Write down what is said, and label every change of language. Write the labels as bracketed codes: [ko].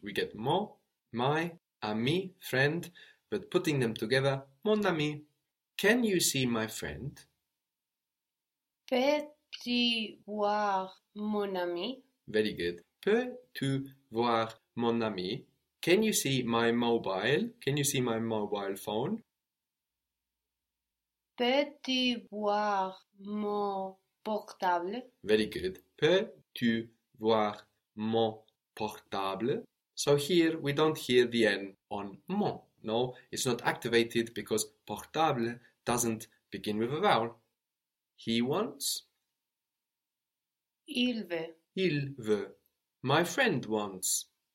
[en] We get mon, my, ami, friend, but putting them together, mon ami. Can you see my friend? [fr] Peux-tu voir mon ami? [en] Very good. [fr] Peux-tu voir mon ami? [en] Can you see my mobile? Can you see my mobile phone? [fr] Peux-tu voir mon portable? [en] Very good. [fr] Peux-tu voir mon portable. [en] So here we don't hear the N on mon. No, it's not activated because portable doesn't begin with a vowel. He wants. [fr] Il veut. Il veut. [en] My friend wants.